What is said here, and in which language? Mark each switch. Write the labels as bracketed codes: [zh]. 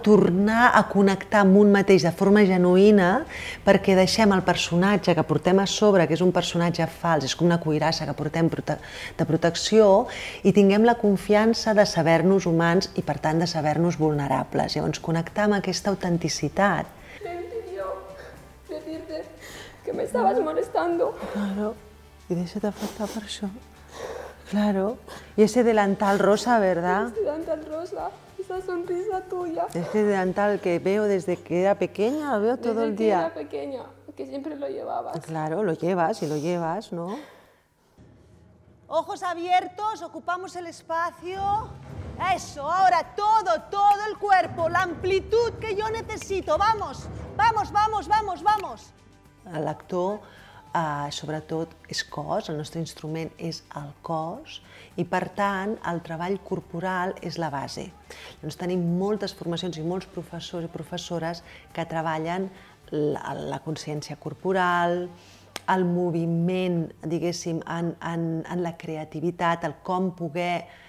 [ca] Tornar a connectar amb un mateix de forma genuïna perquè deixem el personatge que portem a sobre, que és un personatge fals, és com una cuirassa que portem de protecció i tinguem la confiança de saber-nos humans i per tant de saber-nos vulnerables. Llavors connectar amb aquesta autenticitat. [es] Me pidió decirte que me estabas molestando. Claro, y déjate afectar por eso. Claro, y ese delantal rosa, ¿verdad? Este delantal rosa, esa sonrisa tuya. Este delantal que veo desde que era pequeña, lo veo todo desde el día. Desde que era pequeña, que siempre lo llevabas. Claro, lo llevas y lo llevas, ¿no? Ojos abiertos, ocupamos el espacio. Eso, ahora todo, todo el cuerpo, la amplitud que yo necesito. Vamos, vamos, vamos, vamos, vamos. [ca] El actor sobretot és cos, el nostre instrument és el cos i per tant el treball corporal és la base. Llavors tenim moltes formacions i molts professors i professores que treballen la consciència corporal, el moviment, diguéssim, en la creativitat, el com poder